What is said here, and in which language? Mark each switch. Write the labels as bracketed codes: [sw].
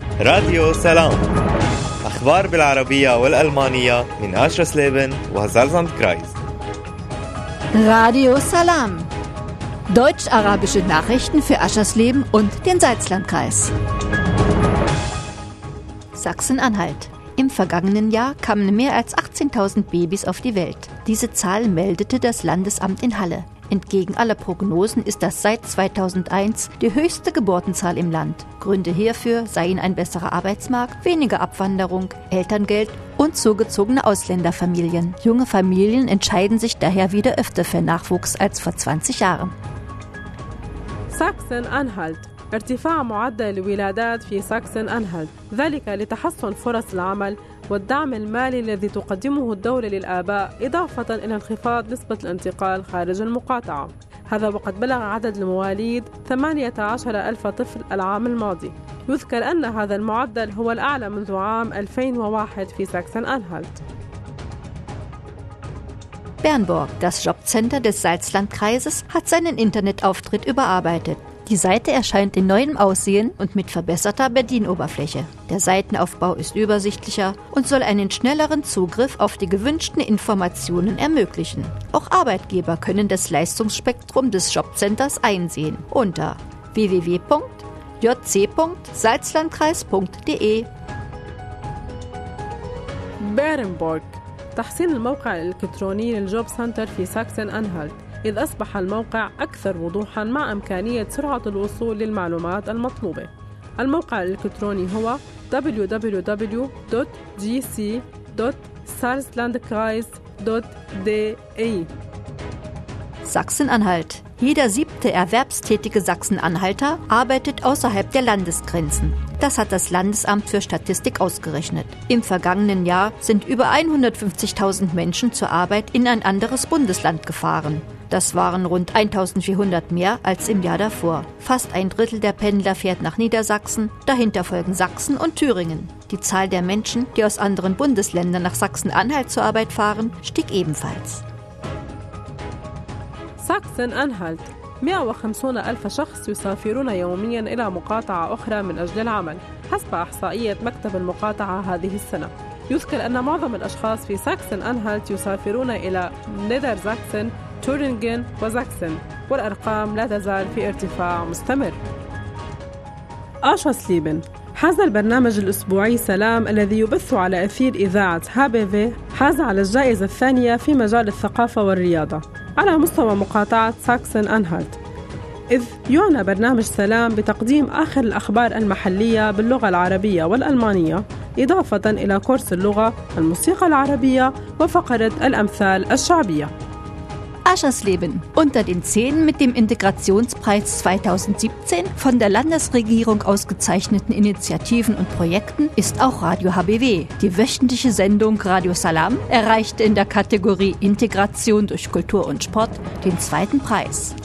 [ar] راديو سلام، أخبار بالعربية والألمانية من أشرة سليبن وزلزانت كرايز. [de] راديو سلام، Deutsch arabische Nachrichten für Aschersleben und den Salzlandkreis. Sachsen-Anhalt. Im vergangenen Jahr kamen mehr als 18.000 Babys auf die Welt. Diese Zahl meldete das Landesamt in Halle. Entgegen aller Prognosen ist das seit 2001 die höchste Geburtenzahl im Land. Gründe hierfür seien ein besserer Arbeitsmarkt, weniger Abwanderung, Elterngeld und zugezogene Ausländerfamilien. Junge Familien entscheiden sich daher wieder öfter für Nachwuchs als vor 20 Jahren. Sachsen-Anhalt. [ar] ارتفاع معدل الولادات في ساكسن-أنهالت، ذلك لتحسن فرص العمل والدعم المالي الذي تقدمه الدولة للآباء، إضافة إلى انخفاض نسبة الانتقال خارج المقاطعة. هذا وقد بلغ عدد المواليد 18,000 طفل العام الماضي. يذكر أن هذا المعدل هو الأعلى منذ عام 2001 في ساكسن-أنهالت. [de] Bernburg, das Jobcenter des Salzlandkreises, hat seinen Internetauftritt überarbeitet. Die Seite erscheint in neuem Aussehen und mit verbesserter Bedienoberfläche. Der Seitenaufbau ist übersichtlicher und soll einen schnelleren Zugriff auf die gewünschten Informationen ermöglichen. Auch Arbeitgeber können das Leistungsspektrum des Jobcenters einsehen unter www.jc.salzlandkreis.de. Bärenburg. [ar] تحسين الموقع الإلكتروني للجوب سنتر في ساكسن-أنهالت. إذ أصبح الموقع أكثر وضوحاً مع إمكانية سرعة الوصول للمعلومات المطلوبة. الموقع الإلكتروني هو www.gc.salzlandkreis.de. [de] Sachsen-Anhalt. Jeder siebte erwerbstätige Sachsen-Anhalter arbeitet außerhalb der Landesgrenzen. Das hat das Landesamt für Statistik ausgerechnet. Im vergangenen Jahr sind über 150.000 Menschen zur Arbeit in ein anderes Bundesland gefahren. Das waren rund 1.400 mehr als im Jahr davor. Fast ein Drittel der Pendler fährt nach Niedersachsen, dahinter folgen Sachsen und Thüringen. Die Zahl der Menschen, die aus anderen Bundesländern nach Sachsen-Anhalt zur Arbeit fahren, stieg ebenfalls. Sachsen-Anhalt. [ar] 150,000 شخص يسافرون يومياً إلى مقاطعة أخرى من أجل العمل حسب أحصائية مكتب المقاطعة هذه السنة. يذكر أن معظم الأشخاص في ساكسن-أنهالت يسافرون إلى نيدرساكسن، تورينغن وساكسن، والأرقام لا تزال في ارتفاع مستمر. أشوسليبن. حاز البرنامج الأسبوعي سلام الذي يبث على أثير إذاعة هابيفي حاز على الجائزة الثانية في مجال الثقافة والرياضة على مستوى مقاطعة ساكسن-أنهالت، إذ يعنى برنامج سلام بتقديم آخر الأخبار المحلية باللغة العربية والألمانية، إضافة إلى كورس اللغة، الموسيقى العربية وفقرة الأمثال الشعبية. [de] Aschersleben. Unter den 10 mit dem Integrationspreis 2017 von der Landesregierung ausgezeichneten Initiativen und Projekten ist auch Radio HBW. Die wöchentliche Sendung Radio Salam erreichte in der Kategorie Integration durch Kultur und Sport den zweiten Preis.